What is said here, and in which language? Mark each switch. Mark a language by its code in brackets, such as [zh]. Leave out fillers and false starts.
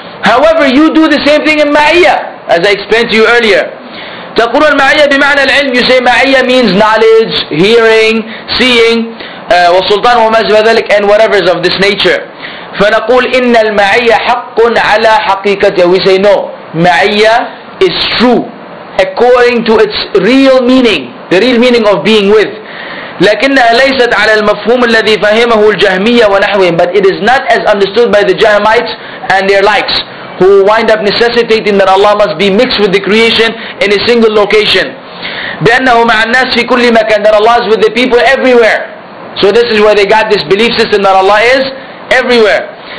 [en] However, you do the same thing in ma'iyya, as I explained to you earlier. [ar] تقول المعية بمعنى العلم. [en] You say ma'iyya means knowledge, hearing, seeing, [ar] وسلطان وما أشبه ذلك, [en] and whatever is of this nature. [ar] فنقول إن المعية حق على حقيقته. [en] We say no, ma'iyya is true according to its real meaning, the real meaning of being with. [ar] لكنها ليست على المفهوم الذي فهمه الجهمية ونحوهم [en] but it is not as understood by the Jahmites and their likes who wind up necessitating that Allah must be mixed with the creation in a single location [ar] بأنه مع الناس في كل مكان [en] that Allah is with the people everywhere so this is where they got this belief system that Allah is everywhere